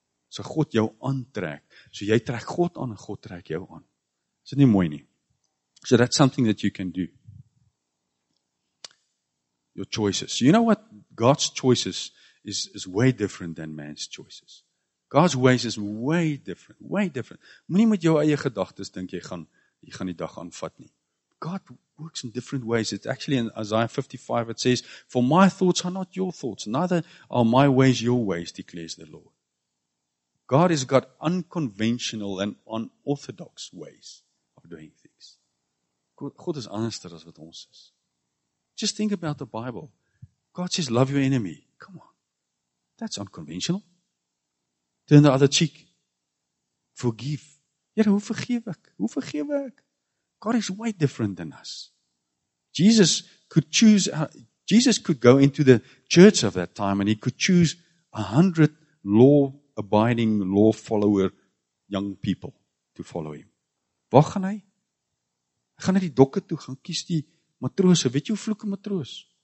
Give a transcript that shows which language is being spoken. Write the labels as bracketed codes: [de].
[af] So God jou aantrek. So jy trek God aan en God trek jou aan. Is dit nie mooi nie? [en] So that's something that you can do. Your choices. You know what? God's choices is way different than man's choices. God's ways is way different. Way different. [af] Moenie met jou eie gedagtes dink jy gaan die dag aanvat nie. [en] God works in different ways. It's actually in Isaiah 55, it says, for my thoughts are not your thoughts, neither are my ways your ways, declares the Lord. God has got unconventional and unorthodox ways of doing things. [af] God is anderster as wat ons is. [en] Just think about the Bible. God says, love your enemy. Come on. That's unconventional. Turn the other cheek. Forgive. [af] Here, hoe vergewe ek? Hoe vergewe ek? [en] God is way different than us. Jesus could choose, Jesus could go into the church of that time and he could choose 100 law-abiding, law-follower young people to follow him. [af] Waar gaan hy? Hy gaan na die dokke toe, gaan kies die matroos, weet jy hoe vloeke matroos?